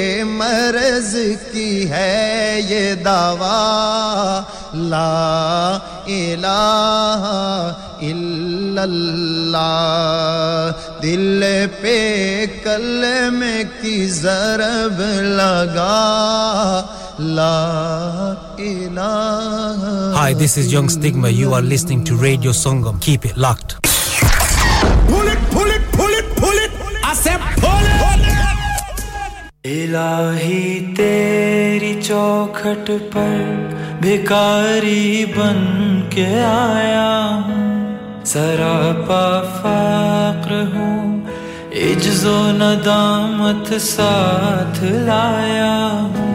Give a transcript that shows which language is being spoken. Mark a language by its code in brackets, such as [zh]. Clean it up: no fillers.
[ur] مرض کی ہے یہ دوا لا الہ الا اللہ دل پہ کلمے کی ضرب لگا لا الہ [en] Hi, this is Young Stigma. You are listening to Radio Sangam. Keep it locked. Pull it, pull it, pull it, pull it. I said pull it. [ur] الہی تیری چوکھٹ پر بھکاری بن کے آیا سراپا فقر ہوں عجز و ندامت ساتھ لایا